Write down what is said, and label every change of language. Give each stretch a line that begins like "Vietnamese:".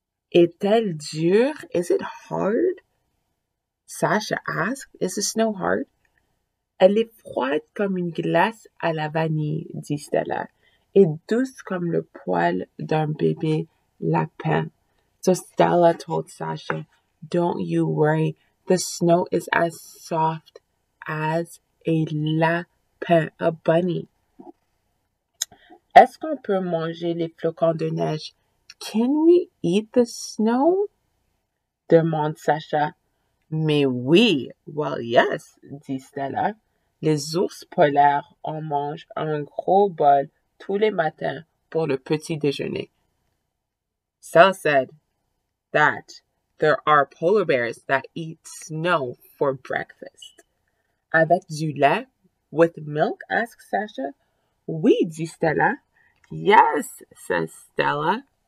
French: Est-elle dure?
English: Is it hard? Sasha asked, is the snow hard?
French: Elle est froide comme une glace à la vanille, dit Stella, et douce comme le poil d'un bébé lapin.
English: So Stella told Sasha, don't you worry, the snow is as soft as a lapin, a bunny.
French: Est-ce qu'on peut manger les flocons de neige?
English: Can we eat the snow?
French: Demande Sacha. Mais oui,
English: well, yes,
French: dit Stella. Les ours polaires en mangent un gros bol tous les matins pour le petit déjeuner.
English: Stella said that there are polar bears that eat snow for breakfast.
French: Avec du lait?
English: With milk? Asked Sacha.
French: Oui, dit Stella.
English: Yes, says Stella.